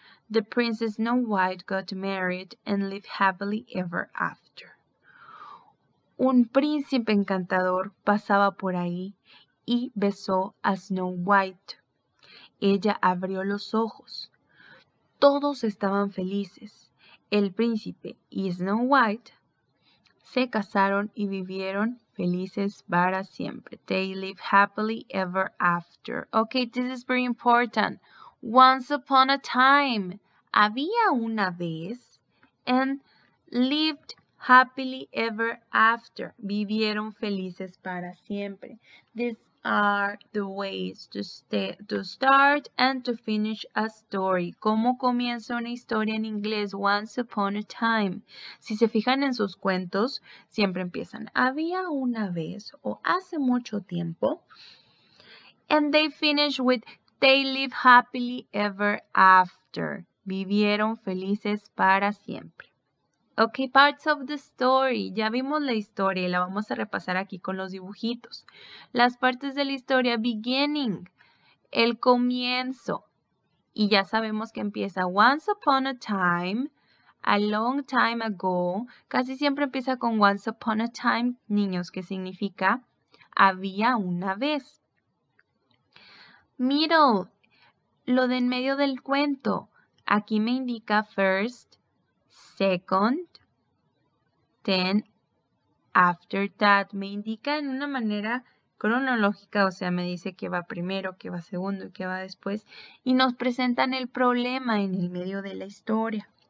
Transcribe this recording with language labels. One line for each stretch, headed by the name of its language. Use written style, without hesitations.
English: The Princess Snow White got married and lived happily ever after.
Spanish: Un príncipe encantador pasaba por ahí y besó a Snow White. Ella abrió los ojos. Todos estaban felices. El príncipe y Snow White se casaron y vivieron felices para siempre.
English: They live happily ever after. Okay, this is very important. Once upon a time.
Spanish: Había una vez.
English: And lived happily ever after.
Spanish: Vivieron felices para siempre.
English: These are the ways to start and to finish a story.
Spanish: ¿Cómo comienza una historia en inglés?
English: Once upon a time.
Spanish: Si se fijan en sus cuentos, siempre empiezan había una vez o hace mucho tiempo.
English: And they finish with they live happily ever after.
Spanish: Vivieron felices para siempre.
English: Ok, parts of the story.
Spanish: Ya vimos la historia y la vamos a repasar aquí con los dibujitos. Las partes de la historia, beginning, el comienzo. Y ya sabemos que empieza
English: once upon a time, a long time ago.
Spanish: Casi siempre empieza con
English: once upon a time,
Spanish: niños, que significa había una vez. Middle, lo de en medio del cuento. Aquí me indica
English: first, second, then, after that.
Spanish: Me indica en una manera cronológica, o sea, me dice que va primero, que va segundo y que va después. Y nos presentan el problema en el medio de la historia.